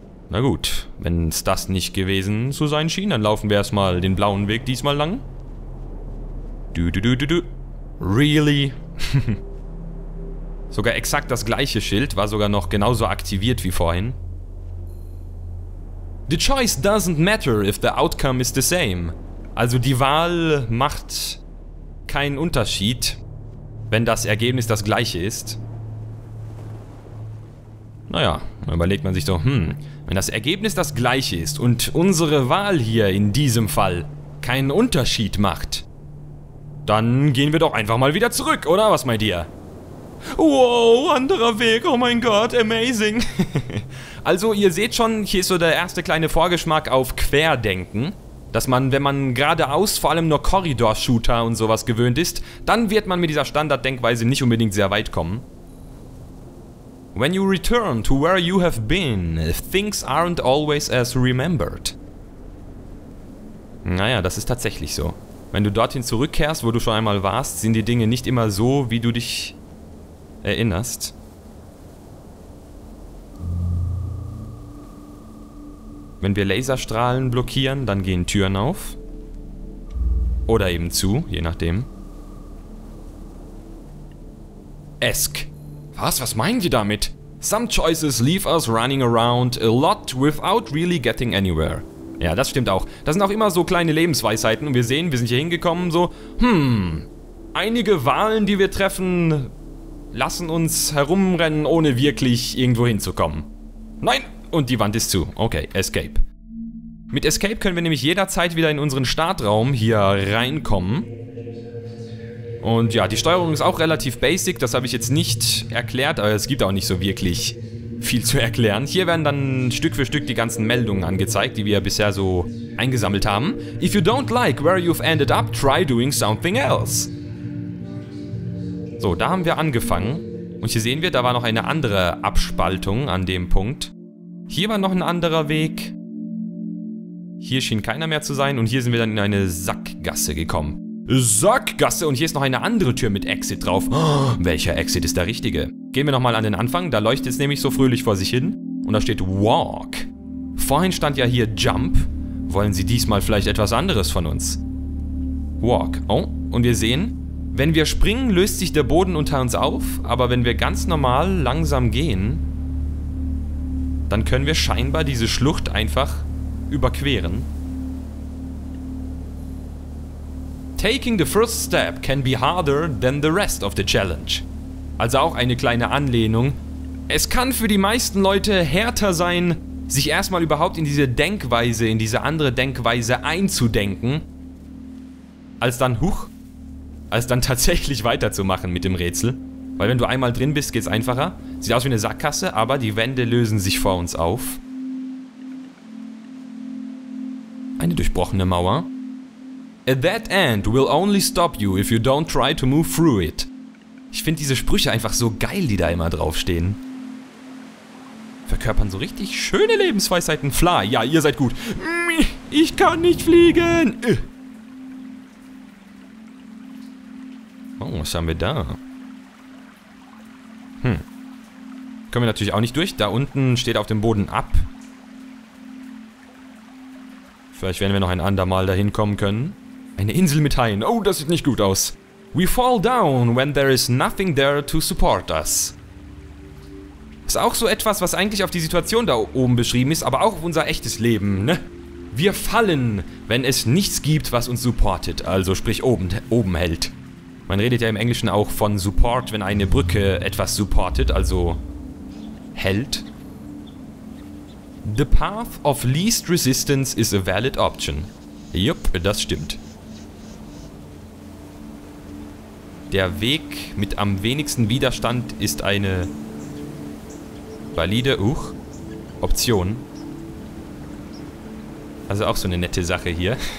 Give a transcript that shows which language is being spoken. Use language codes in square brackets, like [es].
[de] Na gut, wenn es das nicht gewesen zu sein schien, dann laufen wir erstmal den blauen Weg diesmal lang. Du, du, du, du, du. Really? Sogar exakt das gleiche Schild war sogar noch genauso aktiviert wie vorhin. [en] The choice doesn't matter if the outcome is the same. [de] Also die Wahl macht keinen Unterschied, wenn das Ergebnis das gleiche ist. Naja, dann überlegt man sich so, wenn das Ergebnis das gleiche ist und unsere Wahl hier in diesem Fall keinen Unterschied macht, dann gehen wir doch einfach mal wieder zurück, oder? Was meint ihr? Wow, anderer Weg, oh mein Gott, amazing. Also ihr seht schon, hier ist so der erste kleine Vorgeschmack auf Querdenken. Dass man, wenn man geradeaus vor allem nur Korridor-Shooter und sowas gewöhnt ist, dann wird man mit dieser Standarddenkweise nicht unbedingt sehr weit kommen. [en] When you return to where you have been, things aren't always as remembered. [de] Naja, das ist tatsächlich so. Wenn du dorthin zurückkehrst, wo du schon einmal warst, sind die Dinge nicht immer so, wie du dich erinnerst. Wenn wir Laserstrahlen blockieren, dann gehen Türen auf. Oder eben zu, je nachdem. [en] Esk. [de] Was? Was meinen die damit? [en] Some choices leave us running around a lot without really getting anywhere. [de] Ja, das stimmt auch. Das sind auch immer so kleine Lebensweisheiten und wir sehen, wir sind hier hingekommen, so, einige Wahlen, die wir treffen, lassen uns herumrennen, ohne wirklich irgendwo hinzukommen. Nein! Und die Wand ist zu. Okay, Escape. Mit Escape können wir nämlich jederzeit wieder in unseren Startraum hier reinkommen. Und ja, die Steuerung ist auch relativ basic, das habe ich jetzt nicht erklärt, aber es gibt auch nicht so wirklich viel zu erklären. Hier werden dann Stück für Stück die ganzen Meldungen angezeigt, die wir bisher so eingesammelt haben. [en] If you don't like where you've ended up, try doing something else. [de] So, da haben wir angefangen. Und hier sehen wir, da war noch eine andere Abspaltung an dem Punkt. Hier war noch ein anderer Weg. Hier schien keiner mehr zu sein und hier sind wir dann in eine Sackgasse gekommen. Sackgasse und hier ist noch eine andere Tür mit Exit drauf. Oh, welcher Exit ist der richtige? Gehen wir nochmal an den Anfang, da leuchtet es nämlich so fröhlich vor sich hin. Und da steht Walk. Vorhin stand ja hier Jump. Wollen Sie diesmal vielleicht etwas anderes von uns? Walk. Oh, und wir sehen, wenn wir springen, löst sich der Boden unter uns auf. Aber wenn wir ganz normal langsam gehen, dann können wir scheinbar diese Schlucht einfach überqueren. [en] Taking the first step can be harder than the rest of the challenge. [de] Also auch eine kleine Anlehnung. Es kann für die meisten Leute härter sein, sich erstmal überhaupt in diese Denkweise, in diese andere Denkweise einzudenken, als dann tatsächlich weiterzumachen mit dem Rätsel. Weil wenn du einmal drin bist, geht's einfacher. Sieht aus wie eine Sackgasse, aber die Wände lösen sich vor uns auf. Eine durchbrochene Mauer. [en] A dead end will only stop you if you don't try to move through it. [de] Ich finde diese Sprüche einfach so geil, die da immer draufstehen. Verkörpern so richtig schöne Lebensweisheiten. Fly, ja, ihr seid gut. Ich kann nicht fliegen. Oh, was haben wir da? Können wir natürlich auch nicht durch. Da unten steht auf dem Boden ab. Vielleicht werden wir noch ein andermal dahin kommen können. Eine Insel mit Haien. Oh, das sieht nicht gut aus. [en] We fall down when there is nothing there to support us. [de] Ist auch so etwas, was eigentlich auf die Situation da oben beschrieben ist, aber auch auf unser echtes Leben, ne? Wir fallen, wenn es nichts gibt, was uns supportet. Also sprich oben hält. Man redet ja im Englischen auch von Support, wenn eine Brücke etwas supportet, also Held. [en] The path of least resistance is a valid option. [de] Jupp, das stimmt. Der Weg mit am wenigsten Widerstand ist eine valide Option. Also auch so eine nette Sache hier.